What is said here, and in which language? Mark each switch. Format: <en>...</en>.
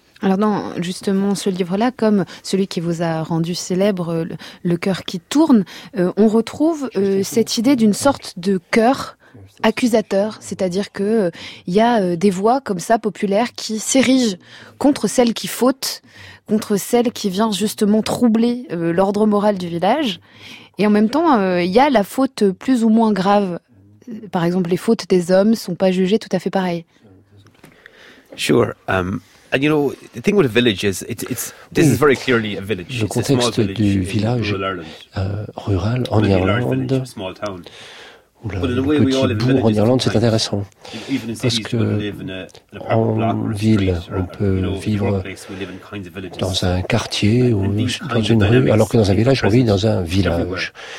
<fr>Alors dans justement ce livre-là, comme celui qui vous a rendu célèbre, Le cœur qui tourne, on retrouve cette idée d'une sorte de cœur accusateur, c'est-à-dire que il y a des voix comme ça populaires qui s'érigent contre celle qui faute, contre celle qui vient justement troubler l'ordre moral du village, et en même temps il y a la faute plus ou moins grave. Par exemple, les fautes des hommes sont pas jugées tout à fait pareil.</fr> <en>Sure. And you know, the thing with a village is this is very clearly a village.</en> <fr>Le contexte du village rural en Irlande, ou le petit bourg en Irlande, c'est intéressant. Parce que en ville, on peut vivre dans un quartier ou dans une rue, alors que dans un village, on vit dans un village.</fr>